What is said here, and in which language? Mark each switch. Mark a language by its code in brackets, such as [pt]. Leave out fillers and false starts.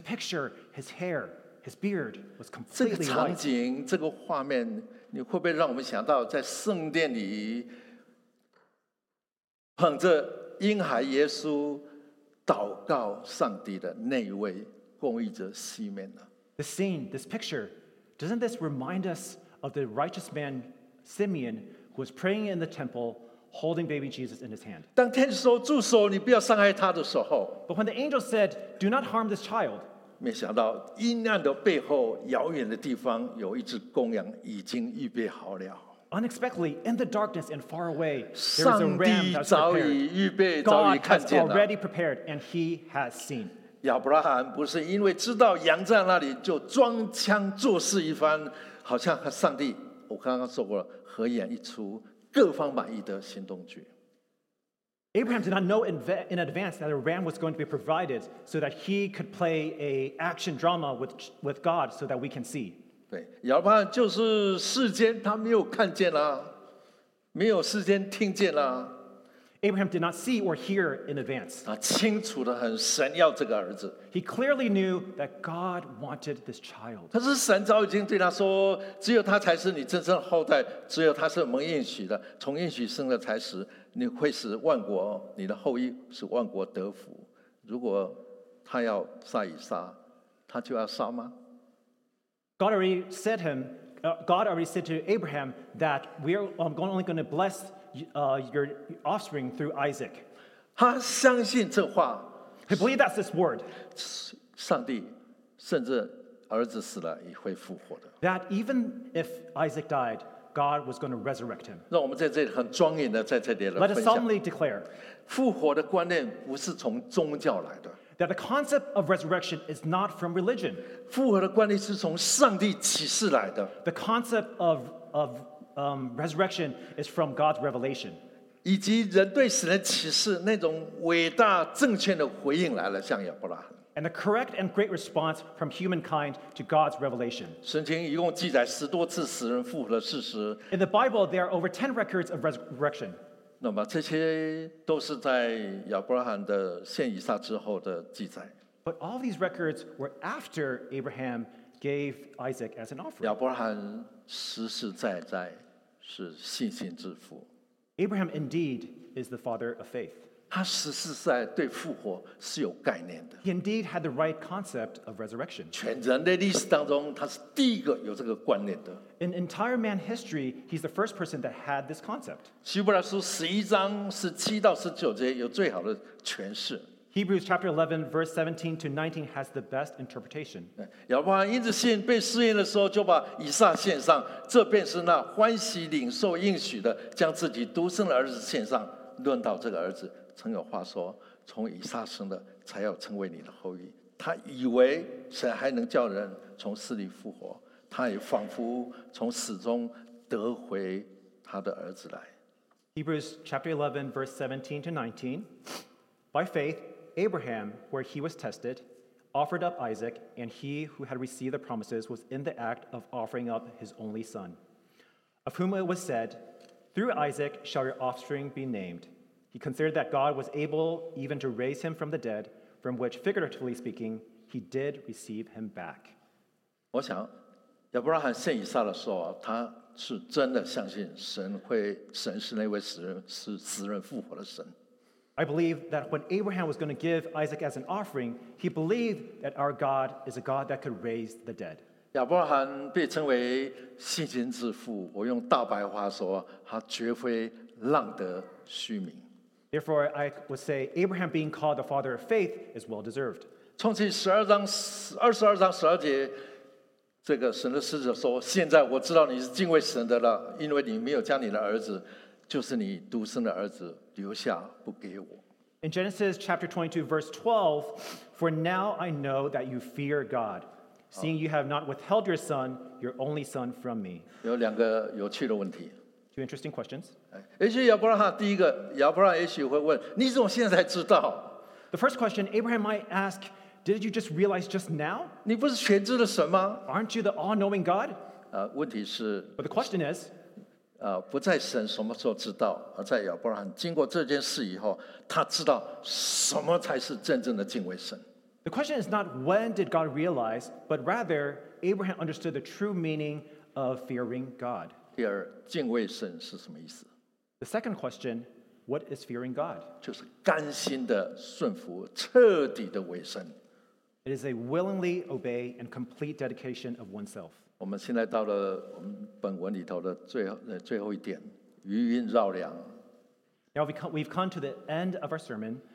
[en] the picture, his hair, his beard was completely white. [zh] 这个场景，这个画面。 你会不会让我们想到，在圣殿里捧着婴孩耶稣祷告上帝的那位公义者西面呢？ [en] The scene, this picture, doesn't this remind us of the righteous man Simeon who was praying in the temple, holding baby Jesus in his hand? [zh] 当天使说住手，你不要伤害他的时候 [en] ，But when the angel said, "Do not harm this child," [zh] 没想到阴暗的背后，遥远的地方有一只公羊已经预备好了。 [en] Unexpectedly, in the darkness and far away, there is a ram that is prepared. God has already prepared, and he has seen. [zh] Abraham 不是因为知道羊在那里就装腔作势一番，好像上帝，我刚刚说过了，合眼一出，各方满意的行动句。 [en] Abraham did not know in advance that a ram was going to be provided so that he could play an action drama with God so that we can see. [zh] 对，亚伯拉罕就是世间他没有看见啦，没有世间听见啦。 [en] Abraham did not see or hear in advance. [zh] 他清楚的很，神要这个儿子。 [en] He clearly knew that God wanted this child. [zh] 可是神早已经对他说，只有他才是你真正的后代，只有他是蒙应许的，从应许生的才是你会使万国，你的后裔使万国得福。如果他要杀以撒，他就要杀吗？ [en] God already said to Abraham that we are only going to bless your offspring through Isaac. [zh] 他相信这话。 [en] He believed that's this word. [zh] 上帝甚至儿子死了也会复活的。 [en] That even if Isaac died, God was going to resurrect him. [zh] 让我们在这里很庄严的在这里来分享。 [en] Let us solemnly declare. [zh] 复活的观念不是从宗教来的。 [en] That the concept of resurrection is not from religion. [zh] 复活的观念是从上帝启示来的。 [en] The concept of resurrection is from God's revelation. [zh] 以及人对死人启示那种伟大正确的回应来了，像亚伯拉罕。 [en] And the correct and great response from humankind to God's revelation. [zh] 圣经一共记载十多次死人复活的事实。 [en] In the Bible, there are over 10 records of resurrection. [zh] 那么这些都是在亚伯拉罕的献以撒之后的记载。 [en] But all these records were after Abraham gave Isaac as an offering. [zh] 亚伯拉罕实实在在是信心之父。 [en] Abraham indeed is the father of faith. [zh] 他实实在在对复活是有概念的。 [en] He indeed had the right concept of resurrection. [zh] 全人类历史当中，他是第一个有这个观念的。 [en] In entire man history, he's the first person that had this concept. [zh] 希伯来书十一章十七到十九节有最好的诠释。 [en] Hebrews chapter 11, verse 17 to 19 has the best interpretation. [zh] 亚伯拉罕因着信被试验的时候，就把以撒献上，这便是那欢喜领受应许的，将自己独生的儿子献上。论到这个儿子，曾有话说，从以撒生的才要成为你的后裔。他以为神还能叫人从死里复活。他也仿佛从死中得回他的儿子来。 [en] Hebrews chapter 11, verse 17 to 19. By faith, Abraham, where he was tested, offered up Isaac, and he who had received the promises was in the act of offering up his only son, of whom it was said, "Through Isaac shall your offspring be named." He considered that God was able even to raise him from the dead, from which, figuratively speaking, he did receive him back. [zh] 我想亚伯拉罕献以撒的时候，他是真的相信神是那位死人复活的神。 [en] I believe that when Abraham was going to give Isaac as an offering, he believed that our God is a God that could raise the dead. [zh] 亚伯拉罕被称为信心之父，我用大白话说，他绝非浪得虚名。 [en] Therefore, I would say Abraham being called the father of faith is well deserved. [zh] 创世十二章二十二章十二节。这个神的使者说：“现在我知道你是敬畏神的了，因为你没有将你的儿子，就是你独生的儿子留下不给我。” [en] In Genesis chapter 22, verse 12, "For now I know that you fear God, seeing you have not withheld your son, your only son, from me." [zh] 有两个有趣的问题。 [en] Two interesting questions. [zh] 也许亚伯拉罕第一个，亚伯拉罕也许会问：“你怎么现在知道？” [en] The first question Abraham might ask. Did you just realize just now? [zh] 你不是全知的神吗？ [en] Aren't you the all-knowing God? [zh] 问题是 [en] But the question is, [zh] 不在神什么时候知道，而在亚伯拉罕经过这件事以后，他知道什么才是真正的敬畏神。 [en] The question is not when did God realize, but rather Abraham understood the true meaning of fearing God. [zh] 第二，敬畏神是什么意思？ [en] The second question, What is fearing God? [zh] 就是甘心的顺服，彻底的委身。 [en] It is a willingly obey and complete dedication of oneself. [zh] 我们现在到了我们本文里头的最后一点，余音绕梁。 [en] Now we've come to the end of our sermon.